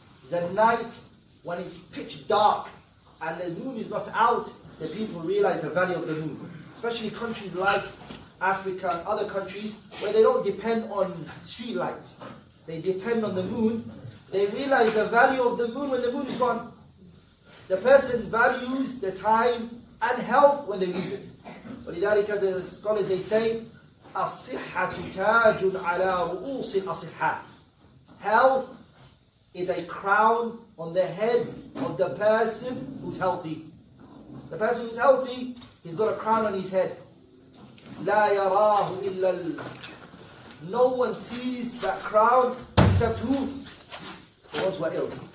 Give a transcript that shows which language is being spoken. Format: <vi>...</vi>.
<en>The night when it's pitch dark and the moon is not out, the people realize the value of the moon. Especially countries like Africa and other countries where they don't depend on street lights. They depend on the moon. They realize the value of the moon when the moon is gone. The person values the time and health when they lose it.</en> <ar>ولذلك</ar> <en>the scholars, they say,</en> <ar>الصحة تاج على رؤوس الأصحاء.</ar> <en>Health is a crown on the head of the person who's healthy. The person who's healthy, he's got a crown on his head.</en> <ar>لا يراه إلا ال...</ar> <en>No one sees that crown except who? The ones who are ill.</en>